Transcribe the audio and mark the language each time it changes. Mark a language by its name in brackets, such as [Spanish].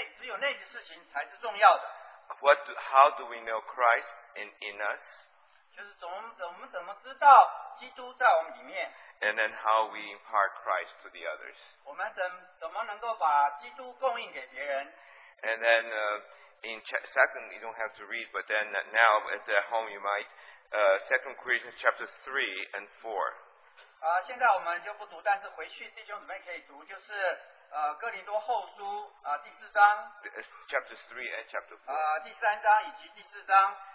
[Chinese] 只有一件事情，一个目的，只有那件事情才是重要的。 [English] How do we know Christ in us? [Chinese] 就是怎么知道基督在我们里面? [English] And then how we impart Christ to the others. [Chinese] 我们怎么能够把基督供应给别人? [English] And then in second, you don't have to read, but then now at home you might, 2 Corinthians chapter 3 and 4. [Chinese] 现在我们就不读，但是回去弟兄姊妹可以读，就是 哥林多后书第四章， [English] chapter 3 and chapter 4， [Chinese] 第三章以及第四章。